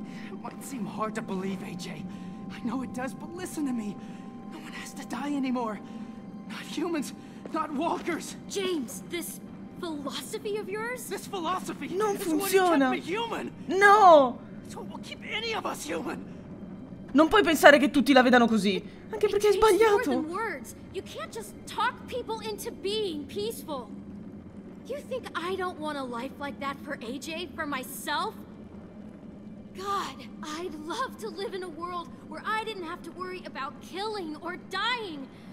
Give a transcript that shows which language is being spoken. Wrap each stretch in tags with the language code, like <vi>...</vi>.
<en>It might seem hard to believe, AJ. I know it does, but listen to me. No one has to die anymore. Not humans, not walkers. James, this philosophy of yours? This philosophy?</en> <it>Non funziona.</it> <en>What kept me human. No. So what will keep any of us human?</en> <it>Non puoi pensare che tutti la vedano così, anche perché è sbagliato.</it> <en>More than words. You can't just talk people into being peaceful. You think I don't want a life like that for AJ, for myself? God, I'd love to live in a world where I didn't have to worry about killing or dying.</en>